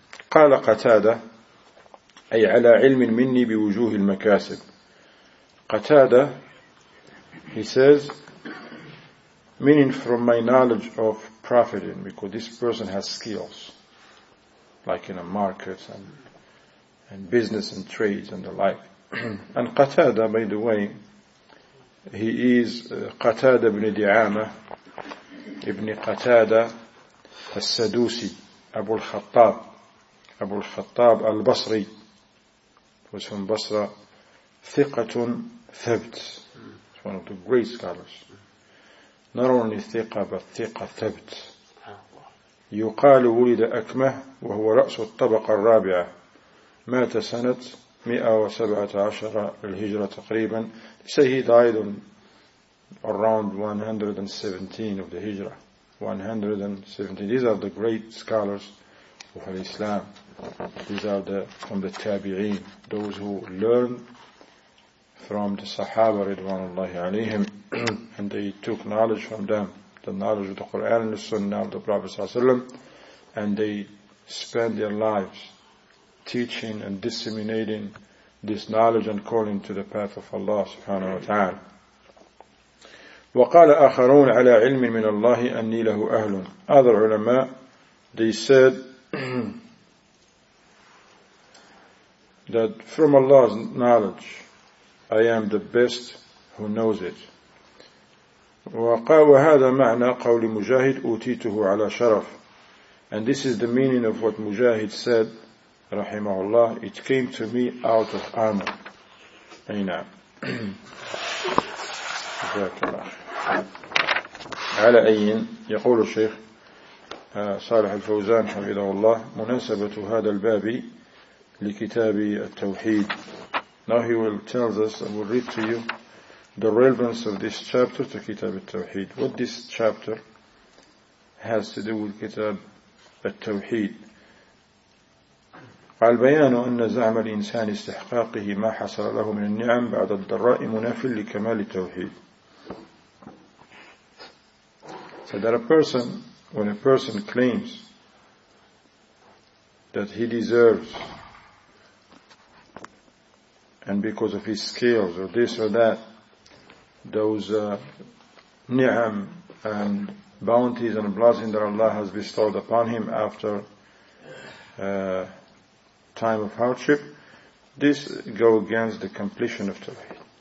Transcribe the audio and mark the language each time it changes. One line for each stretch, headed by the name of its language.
Arabic: قال قتادة أي على علم مني بوجوه المكاسب.
English: قتادة, he says, meaning from my knowledge of profiting, because this person has skills, like in a market and business and trades and the like. And Qatada, by the way, he is Qatada ibn Di'ama, ibn Qatada al-Sadusi, Abu al-Khattab al-Basri, was from Basra, Thiqatun Thabt, one of the great scholars. Not only ثقة but ثقة ثبت.
Arabic: يقال ولد أكمه وهو رأس الطبقة الرابعة. مات سنة 117 للهجرة تقريبا.
English: Say he died on around 117 of the Hijra. 117. These are the great scholars of Islam. These are from the Tabi'een, those who learn from the Sahaba Ridwanullahi alayhim. And they took knowledge from them, the knowledge of the Quran and the Sunnah of the Prophet ﷺ, and they spent their lives teaching and disseminating this knowledge and calling to the path of Allah subhanahu wa ta'ala.
Arabic: وقال آخرون على علم من الله أني له أهل.
English: Other ulama, they said that from Allah's knowledge, I am the best who knows it.
Arabic: وهذا معنى قول مجاهد أوتيته على شرف.
English: And this is the meaning of what مجاهد said,
Arabic: رحمه الله,
English: it came to me out of honor.
Arabic: أي نعم. جزاك الله. على أي يقول الشيخ صالح الفوزان حفظه الله مناسبة هذا الباب لكتاب التوحيد.
English: Now he will tell us, I will read to you the relevance of this chapter to Kitab al-Tawheed. What this chapter has to do with Kitab al-Tawheed.
Arabic: قال بيان أن زعم الإنسان استحقاقه ما حصل له من النعم بعد الضراء مناف لكمال التوحيد.
English: So that when a person claims that he deserves, and because of his skills or this or that, those ni'am and bounties and blessings that Allah has bestowed upon him after time of hardship, this go against the completion of Tawheed.